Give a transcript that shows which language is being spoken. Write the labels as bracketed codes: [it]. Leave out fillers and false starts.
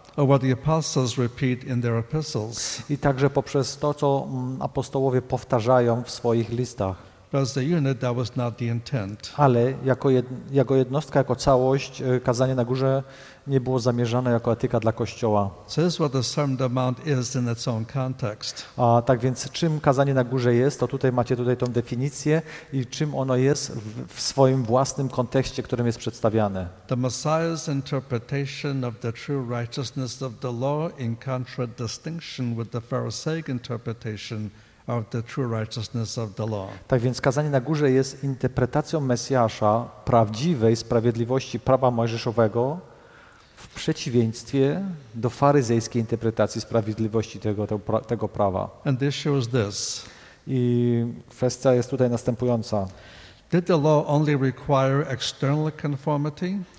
[en] Or what the apostles repeat in their epistles. [pl] I także poprzez to, co apostołowie powtarzają w swoich listach. [en] But as a unit, that was not the intent. [pl] Ale jako jednostka, jako całość, kazanie na górze nie było zamierzane jako etyka dla Kościoła. [en] So this is what the Sermon on the Mount is in its own context. [pl] A tak więc czym kazanie na górze jest, to tutaj macie tutaj tą definicję i czym ono jest w swoim własnym kontekście, którym jest przedstawiane. [en] The Messiah's interpretation of the true righteousness of the law in contradistinction with the Pharisaic interpretation of the true righteousness of the law. [pl] Tak więc kazanie na górze jest interpretacją Mesjasza prawdziwej sprawiedliwości prawa mojżeszowego w przeciwieństwie do faryzejskiej interpretacji sprawiedliwości tego prawa. [en] And the issue is this. [pl] I kwestia jest tutaj następująca. [en] Did the law only require external conformity?